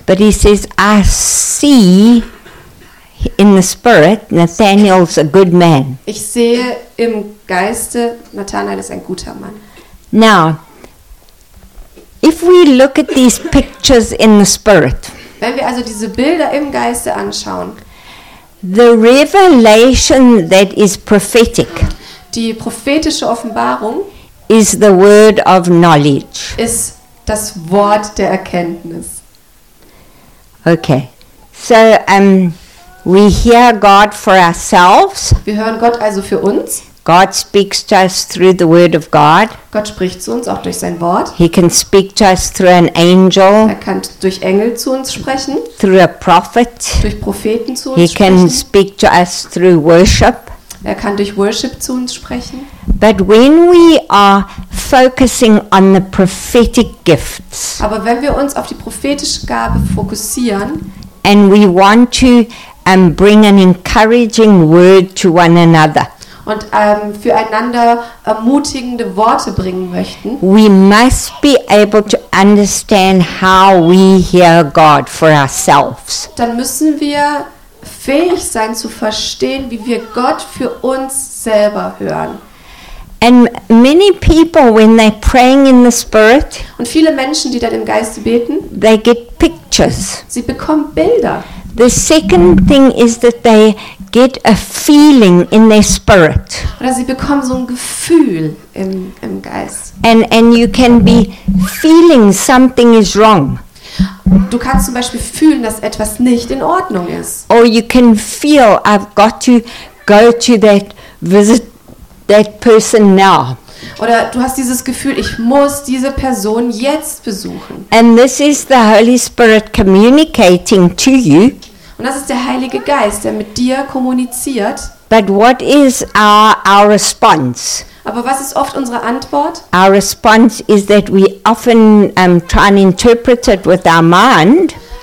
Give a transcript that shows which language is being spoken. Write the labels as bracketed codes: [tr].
[en] But he says, I see in the spirit Nathanael's a good man. [de] Ich sehe im Geiste, Nathanael ist ein guter Mann. [en] Now, if we look at these pictures in the spirit, [de] wenn wir also diese Bilder im Geiste anschauen, [en] the revelation that is prophetic, [de] die prophetische Offenbarung, [en] is the word of knowledge, [de] ist das Wort der Erkenntnis. [en] Okay, so we hear God for ourselves. [de] Wir hören Gott also für uns. [en] God speaks to us through the word of God. [de] Gott spricht zu uns auch durch sein Wort. [en] He can speak to us through an angel. [de] Er kann durch Engel zu uns sprechen. [en] Through a prophet. [de] Durch Propheten zu uns [en] He [de] sprechen. [en] He can speak to us through worship. [de] Er kann durch Worship zu uns sprechen. [en] But when we are focusing on the prophetic gifts. [de] Aber wenn wir uns auf die prophetische Gabe fokussieren. [en] And we want to bring an encouraging word to one another. [de] und füreinander ermutigende Worte bringen möchten. [en] We must be able to understand how we hear God for ourselves. [de] Dann müssen wir fähig sein zu verstehen, wie wir Gott für uns selber hören. [en] And many people, when they praying in the spirit, [de] und viele Menschen, die dann im Geiste beten, [en] they get pictures. [de] Sie bekommen Bilder. [en] The second thing is that they get a feeling in their spirit. [de] Oder sie bekommen so ein Gefühl im Geist. [en] And you can be feeling something is wrong. [de] Du kannst zum Beispiel fühlen, dass etwas nicht in Ordnung ist. [en] Or you can feel I've got to go to that visit. That person now. [de] Oder du hast dieses Gefühl, ich muss diese Person jetzt besuchen. [en] And this is the Holy Spirit communicating to you. [de] Und das ist der Heilige Geist, der mit dir kommuniziert. [en] But what is our response? [de] Aber was ist oft unsere Antwort? [en] Our response is that we often try and interpret it with our mind.